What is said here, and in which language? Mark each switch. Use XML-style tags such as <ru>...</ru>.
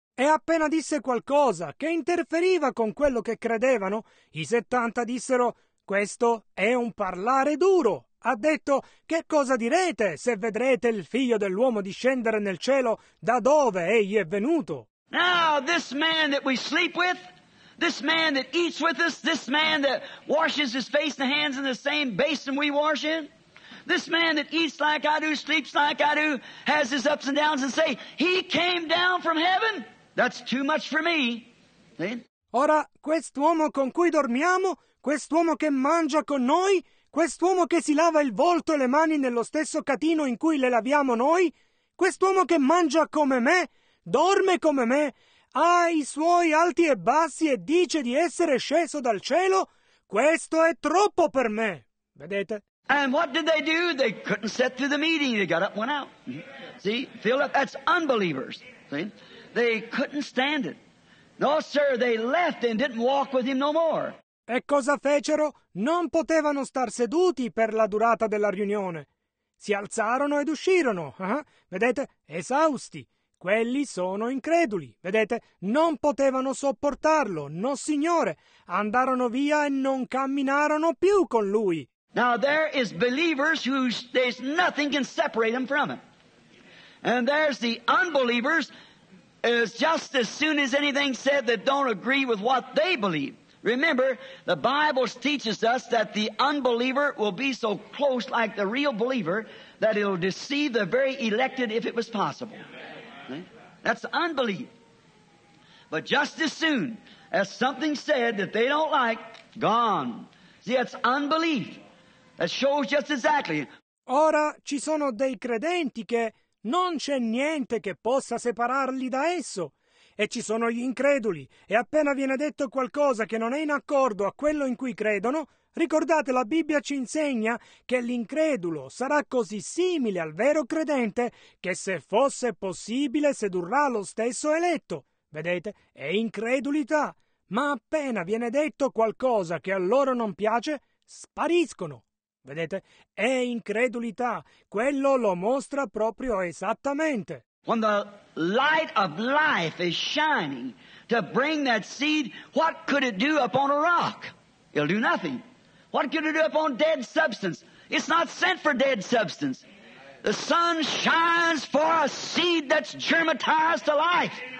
<it>E appena disse qualcosa che interferiva con quello che credevano, i 70 dissero, "Questo è un parlare duro." Ha detto, che cosa direte se vedrete il figlio dell'uomo discendere nel cielo da dove egli è venuto?</it> <en>Now, this man that we sleep with, this man that eats with us, this man that washes his face and hands in the same basin we wash in, this man that eats like I do, sleeps like I do, has his ups and downs and say, he came down from heaven? That's too much for me. See?</en> <it>Ora, quest'uomo con cui dormiamo, quest'uomo che mangia con noi, quest'uomo che si lava il volto e le mani nello stesso catino in cui le laviamo noi, quest'uomo che mangia come me, dorme come me, ha i suoi alti e bassi e dice di essere sceso dal cielo, questo è troppo per me. Vedete?</it> <en>And what did they do? They couldn't sit through the meeting. They got up and went out. See, Philip, that's unbelievers. See? They couldn't stand it. No, sir, they left and didn't walk with him no more.</en> <it>E cosa fecero? Non potevano star seduti per la durata della riunione. Si alzarono ed uscirono. Vedete? Esausti. Quelli sono increduli. Vedete? Non potevano sopportarlo. No, signore. Andarono via e non camminarono più con lui.</it> <en>Now there is believers who there's nothing can separate them from it. And there's the unbelievers is just as soon as anything said that don't agree with what they believe. Remember, the Bible teaches us that the unbeliever will be so close like the real believer that it'll deceive the very elected if it was possible. That's unbelief. But just as soon as something said that they don't like, gone. See, that's unbelief. That shows just exactly.</en> <it>Ora ci sono dei credenti che non c'è niente che possa separarli da esso. E ci sono gli increduli, e appena viene detto qualcosa che non è in accordo a quello in cui credono, ricordate, la Bibbia ci insegna che l'incredulo sarà così simile al vero credente che se fosse possibile sedurrà lo stesso eletto. Vedete? È incredulità. Ma appena viene detto qualcosa che a loro non piace, spariscono. Vedete? È incredulità. Quello lo mostra proprio esattamente.</it> <en>When the light of life is shining to bring that seed, what could it do upon a rock? It'll do nothing. What could it do upon dead substance? It's not sent for dead substance. The sun shines for a seed that's germatized to life.</en>